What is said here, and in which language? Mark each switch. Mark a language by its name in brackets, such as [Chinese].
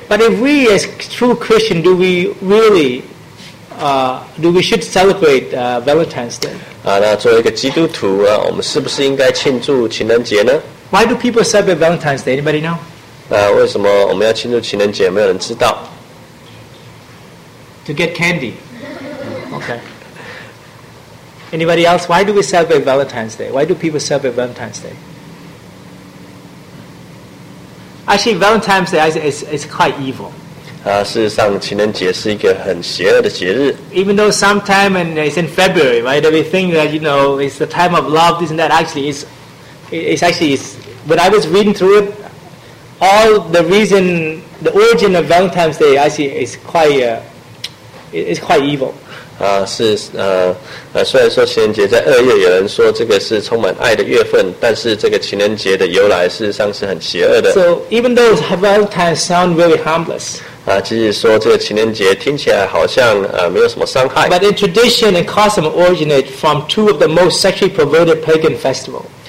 [English] But if we as true Christian, do we really, do we should celebrate Valentine's Day? [Chinese] 那作为一个基督徒啊，我们是不是应该庆祝情人节呢？ [English] Why do people celebrate Valentine's Day? Anybody know? [Chinese] 为什么我们要庆祝情人节？没有人知道。 [English] To get candy. Okay. Anybody else? Why do we celebrate Valentine's Day? Why do people celebrate Valentine's Day? Actually, Valentine's Day is quite evil. [Chinese] 事实上情人节是一个很邪恶的节日。 [English] Even though sometime and it's in February, right? We think that, you know, it's the time of love, isn't that? Actually, when I was reading through it, all the reason, the origin of Valentine's Day, actually is quite evil. [Chinese] 虽然说情人节在二月有人说这个是充满爱的月份，但是这个情人节的由来事实上是很邪恶的。 [English] So even though Valentine sound really harmless, [Chinese] 其实说这个情人节听起来好像没有什么伤害。 [English] But in tradition and custom originate from two of the most sexually perverted pagan festivals.